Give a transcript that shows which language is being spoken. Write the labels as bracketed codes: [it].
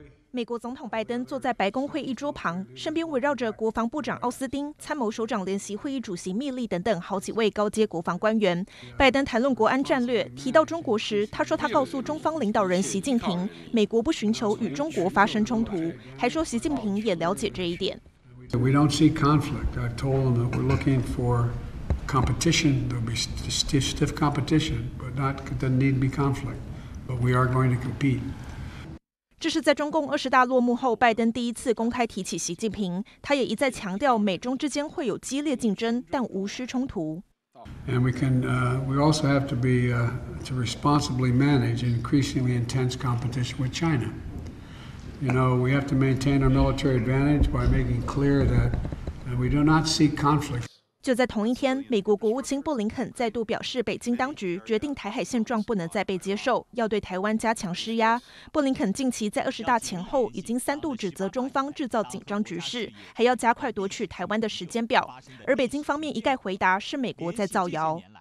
[zh] 美国总统拜登坐在白宫会议桌旁，身边围绕着国防部长奥斯汀、参谋首长联席会议主席密利等等好几位高阶国防官员。拜登谈论国安战略，提到中国时，他说他告诉中方领导人习近平，美国不寻求与中国发生冲突，还说习近平也了解这一点。 [en] We don't see conflict. I told him that we're looking for competition. There'll be stiff competition, but not doesn't need to be conflict. But we are going to compete. [zh] 这是在中共二十大落幕后拜登第一次公开提起习近平，他也一再强调美中之间会有激烈竞争，但无需冲突。 [en] And we can, we also have to be to responsibly manage increasingly intense competition with China. You know, we have to maintain our military advantage by making clear that we do not seek conflict. [zh] 就在同一天，美国国务卿布林肯再度表示，北京当局决定台海现状不能再被接受，要对台湾加强施压。布林肯近期在二十大前后已经三度指责中方制造紧张局势，还要加快夺取台湾的时间表。而北京方面一概回答是美国在造谣。